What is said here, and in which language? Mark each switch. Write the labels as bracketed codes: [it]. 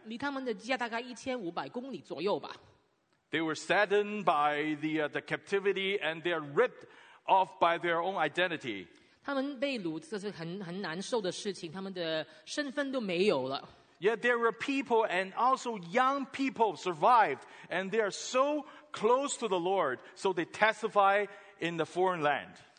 [zh] 离他们的家大概1,500公里左右吧。 [en] They were saddened by the captivity, and they are ripped off by their own identity. [zh] 他们被掳，这是很难受的事情，他们的身份都没有了。Yet [en] there were people and also young people survived, and they are so close to the Lord, so they testify in the foreign land.